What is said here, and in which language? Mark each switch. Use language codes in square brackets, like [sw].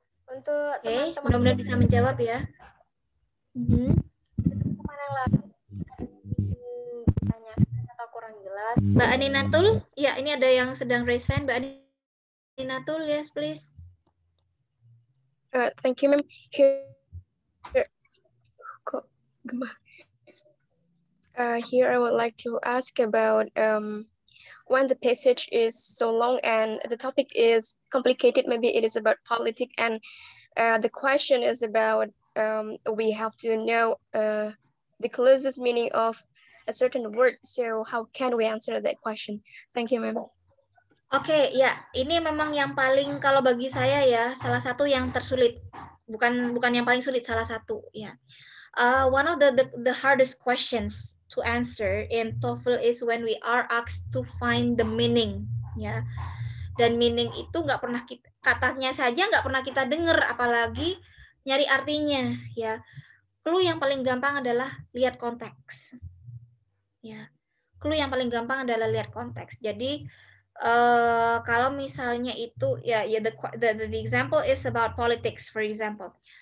[id] Untuk teman-teman okay, belum bisa menjawab ya. Teman-teman yang lain tanya atau kurang jelas. Mbak Aninatul, ya ini ada yang sedang raise hand. [en] Mbak Aninatul, yes please. Thank you, ma'am. Here I would like to ask about when the passage is so long and the topic is complicated. Maybe it is about politics, and the question is about we have to know the closest meaning of a certain word. So how can we answer that question? Thank you, ma'am. [id] Okay, ya, ini memang yang paling kalau bagi saya ya salah satu yang tersulit, bukan yang paling sulit, salah satu ya. [en] One of the hardest questions to answer in TOEFL is when we are asked to find the meaning, ya. [id] Dan meaning itu nggak pernah kita, katanya saja nggak pernah kita dengar, apalagi nyari artinya, ya. Clue yang paling gampang adalah lihat konteks, ya. Clue yang paling gampang adalah lihat konteks. Jadi kalau misalnya itu ya, [en] the example is about politics, for example.